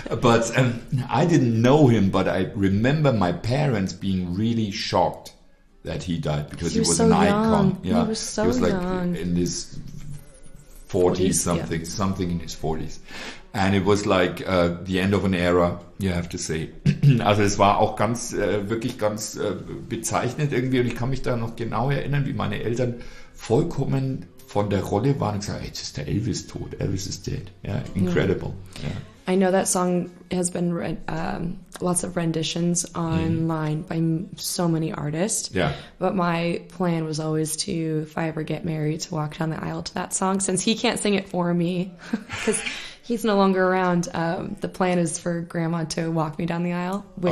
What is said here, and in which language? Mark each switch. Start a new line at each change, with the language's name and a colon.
English: But I didn't know him, but I remember my parents being really shocked that he died because he was so an icon. Young. Yeah. He was so young. He was like young. In his 40s, something, yeah. Something in his 40s. And it was like the end of an era, you have to say.
German: Also es war auch ganz, wirklich ganz bezeichnet irgendwie. Und ich kann mich da noch genau erinnern, wie meine Eltern vollkommen von der Rolle waren und gesagt, hey, jetzt ist der Elvis tot.
English: Elvis is dead. Yeah, incredible. Yeah. I know that song has been read, lots of renditions online by so many artists. Yeah. But my plan was always to, if I ever get married, to walk down the aisle to that song. Since he can't sing it for me, because he's no longer around, the plan is for grandma to walk me down the aisle with